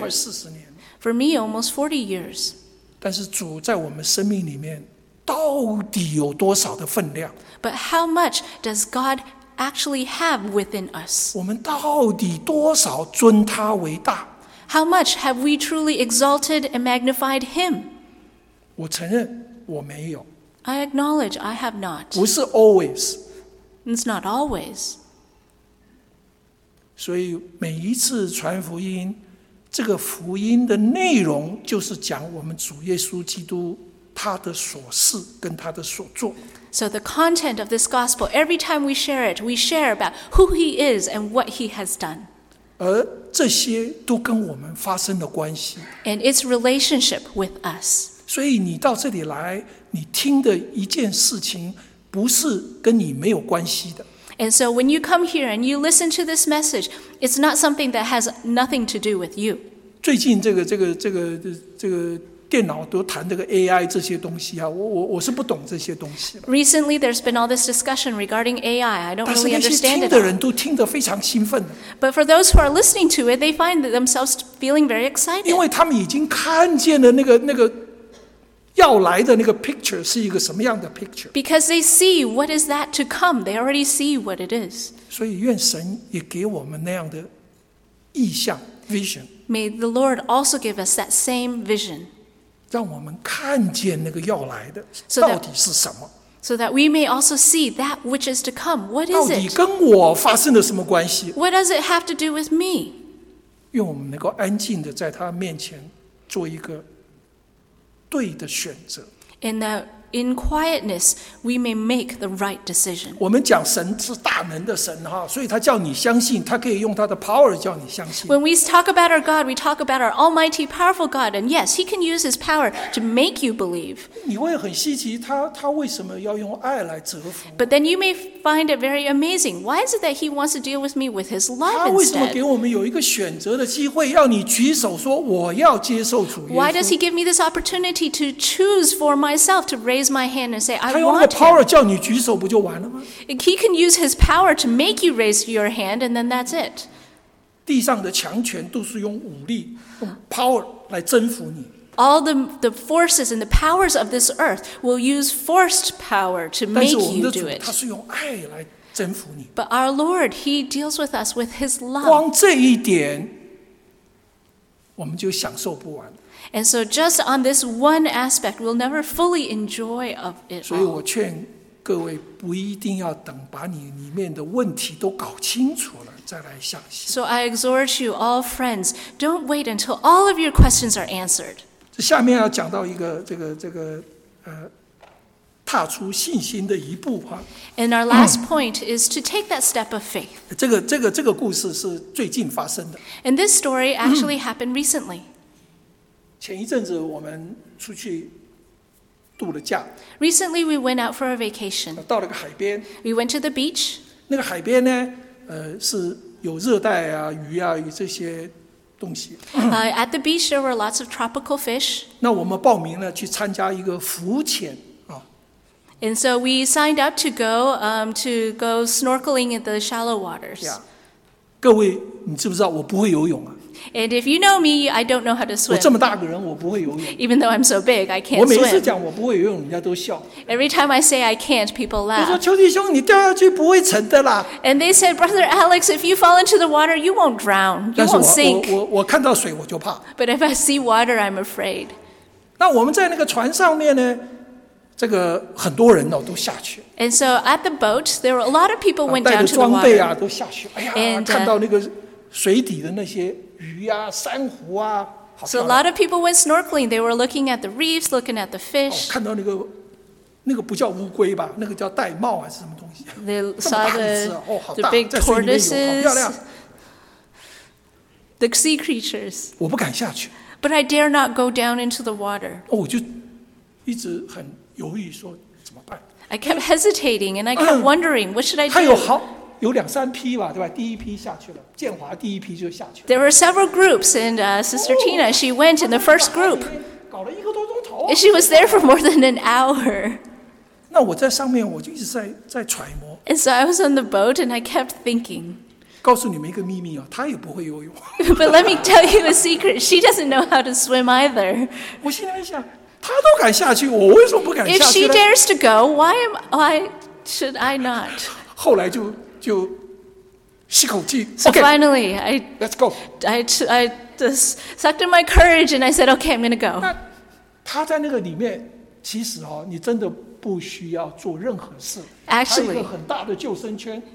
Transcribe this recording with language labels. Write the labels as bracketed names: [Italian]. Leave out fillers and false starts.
[Chinese] 快40年 [English] For me, almost 40 years. [Chinese] 但是主在我们生命里面到底有多少的分量？ [English] But how much does God actually have within us? [Chinese] 我们到底多少尊他为大？ [English] How much have we truly exalted and magnified him? [Chinese] 我承认我没有。 [English] I acknowledge I have not. [Chinese] 不是 [English] always. It's not always. [Chinese] 所以每一次传福音这个福音的内容就是讲我们主耶稣基督他的所事跟他的所作。 [English] So the content of this gospel, every time we share it, we share about who he is and what he has done. [Chinese] 而这些都跟我们发生了关系。 [English] And it's relationship with us. [Chinese] 所以你到这里来，你听的一件事情不是跟你没有关系的。 [English] And so when you come here and you listen to this message, it's not something that has nothing to do with you. [Chinese] 最近这个电脑都谈这个 AI 这些东西啊，我是不懂这些东西。 [English] Recently, there's been all this discussion regarding AI. I don't really understand it. [Chinese] 但是那些听的人都听得非常兴奋。 [English] But for those who are listening to it, they find themselves feeling very excited. [Chinese] 因为他们已经看见了那个要来的那个 [English] picture [Chinese] 是一个什么样的 picture? [English] Because they see what is that to come, they already see what it is. [Chinese] 所以愿神也给我们那样的意象 [English] vision. May the Lord also give us that same vision. [Chinese] 让我们看见那个要来的到底是什么。 [English] So that we may also see that which is to come. What is it? [Chinese] 到底跟我发生了什么关系？ [English] What does it have to do with me? [Chinese] 愿我们能够安静地在他面前做一个对的选择。 [English] And that in quietness, we may make the right decision. [Chinese] 我们讲神是大能的神，所以他叫你相信，他可以用他的 [English] power [Chinese] 叫你相信。 [English] When we talk about our God, we talk about our almighty, powerful God, and yes, he can use his power to make you believe. [Chinese] 你会很稀奇，他为什么要用爱来折服？ [English] But then you may find it very amazing. Why is it that he wants to deal with me with his love instead? [Chinese] 他为什么给我们有一个选择的机会，让你举手说我要接受主耶稣？ [English] Why does he give me this opportunity to choose for myself to raise my hand and say I want him? [Chinese] 他用那个 [English] power [Chinese] 叫你举手，不就完了吗？ [English] He can use his power to make you raise your hand, and then that's it. [Chinese] 地上的强权都是用武力，用 [English] power [Chinese] 来征服你。 [English] All the forces and the powers of this earth will use forced power to make you do it. [Chinese] 他是用爱来征服你。 [English] But our Lord, he deals with us with his love. [Chinese] 光这一点，我们就享受不完。 [English] And so just on this one aspect, we'll never fully enjoy of it all. [Chinese] 所以我劝各位不一定要等把你里面的问题都搞清楚了再来相信。 [English] So I exhort you, all friends, don't wait until all of your questions are answered. [Chinese] 这下面要讲到一个这个踏出信心的一步啊。 [English] And our last point is to take that step of faith. [Chinese] 这个故事是最近发生的。 [English] And this story actually happened recently. [Chinese] 前一阵子我们出去度了假。 [English] Recently we went out for a vacation. [Chinese] 到了个海边。 [English] We went to the beach. [Chinese] 那个海边呢，是有热带啊、鱼啊这些东西。 [English] At the beach there were lots of tropical fish. [Chinese] 那我们报名了去参加一个浮潜。 [English] And so we signed up to go snorkeling in the shallow waters. Yeah. [Chinese] 各位，你知不知道我不会游泳啊？ [English] And if you know me, I don't know how to swim. [Chinese] 我这么大个人，我不会游泳。 [English] Even though I'm so big, I can't swim. [Chinese] 我每次讲我不会游泳，人家都笑。 [English] Every time I say I can't, people laugh. [Chinese] 他说：“邱弟兄，你掉下去不会沉的啦。” [English] And they said, Brother Alex, if you fall into the water, you won't drown. You won't sink. [Chinese] 但是我看到水我就怕。 [English] But if I see water, I'm afraid. [Chinese] 那我们在那个船上面呢？这个很多人都下去。 [English] And so at the boat, there were a lot of people went down to the water. [Chinese] 带着装备啊，都下去。哎呀， [English] And, [Chinese] 看到那个水底的那些鱼啊、珊瑚啊，好漂亮。 [English] So a lot of people went snorkeling. They were looking at the reefs, looking at the fish. [Chinese] 看到那个不叫乌龟吧？那个叫玳瑁还是什么东西？ [English] They saw the big tortoises. [Chinese] 好漂亮。 [English] The sea creatures. [Chinese] 我不敢下去。 [English] But I dare not go down into the water. [Chinese] 我就一直很犹豫说怎么办。 [English] I kept hesitating and I kept wondering what should I do. [Chinese] 他有好有两三批吧，对吧？第一批下去了，建华第一批就下去了。 [English] There were several groups and Sister Tina, she went in the first group. [Chinese] 搞了一个多钟头。 [English] And she was there for more than an hour. [Chinese] 那我在上面我就一直在揣摩。 [English] And so I was on the boat and I kept thinking. [Chinese] 告诉你们一个秘密啊，她也不会游泳。 [English] But let me tell you a secret, she doesn't know how to swim either. [Chinese] 我心里面想，他都敢下去，我为什么不敢下去呢？ [English] If she dares to go, why should I not? [Chinese] 后来就吸口气。 [English] So okay, finally, let's go. I just sucked in my courage and I said, okay, I'm going to go. [Chinese] 他在那个里面，其实你真的不需要做任何事。 [English] Actually, [Chinese] 他有一个很大的救生圈。